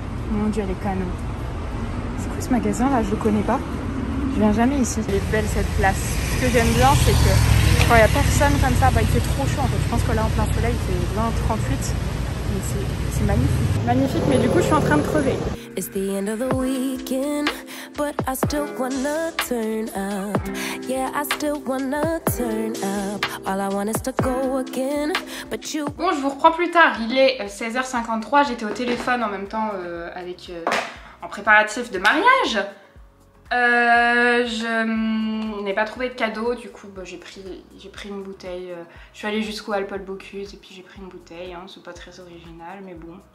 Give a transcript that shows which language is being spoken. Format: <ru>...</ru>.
<fr>Mon dieu elle est canon. C'est quoi ce magasin là? Je le connais pas. Je viens jamais ici. Elle est belle cette place. Ce que j'aime bien, c'est que quand il y a personne comme ça, bah, il fait trop chaud en fait. Je pense que là en plein soleil, il fait 20-38. Mais c'est magnifique. Magnifique, mais du coup, je suis en train de crever.</fr> <en>It's the end of the weekend, but I still wanna turn up. Yeah, I still wanna turn up. All I want is to go again, but you...</en> <fr>Bon, je vous reprends plus tard. Il est 16h53. J'étais au téléphone en même temps avec. En préparatif de mariage, je n'ai pas trouvé de cadeau, du coup bah, j'ai pris une bouteille. Je suis allée jusqu'au Alpol Bocuse et puis j'ai pris une bouteille, hein. C'est pas très original mais bon.</fr>